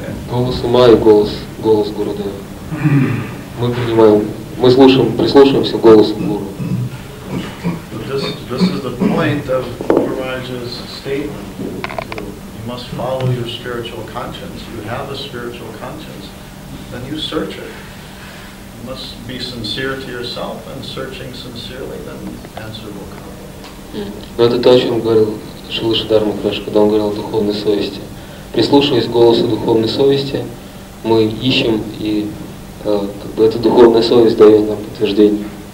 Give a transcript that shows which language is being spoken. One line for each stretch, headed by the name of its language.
Russian: Голос ума и голос Гуру Дева. Мы принимаем, мы слушаем, прислушиваемся к голосу Гуру.
English: This is the point of Guru Maharaj's statement. You must follow your spiritual conscience. You have a spiritual conscience, then you search it. You must be sincere to yourself, and searching sincerely, then answer will come.
Russian: Это то, о чем говорил Шрила Шридхара Махарадж, когда он говорил о духовной совести. Прислушиваясь к голосу духовной совести, мы ищем и как бы эта духовная совесть дает нам подтверждение.